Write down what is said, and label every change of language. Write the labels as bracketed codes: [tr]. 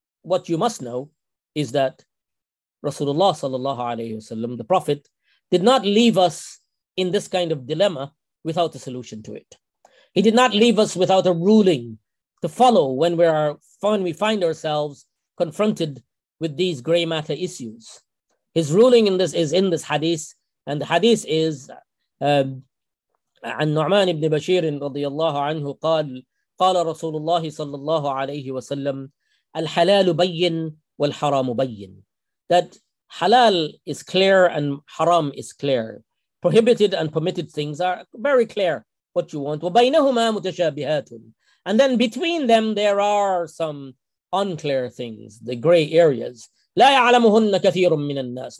[en] what you must know is that Rasulullah sallallahu alayhi wasallam, the Prophet, did not leave us in this kind of dilemma without a solution to it. He did not leave us without a ruling to follow when we find ourselves confronted with these gray matter issues. His ruling in this is in this hadith, and the hadith is [ar] عن نعمان بن بشير رضي الله عنه قال قال رسول الله صلى الله عليه وسلم الحلال بين والحرام بين. [en] That halal is clear and haram is clear. Prohibited and permitted things are very clear what you want. [ar] وبينهما متشابهات. [en] And then between them there are some unclear things, the gray areas. [ar] لا يعلمهن كثير من الناس.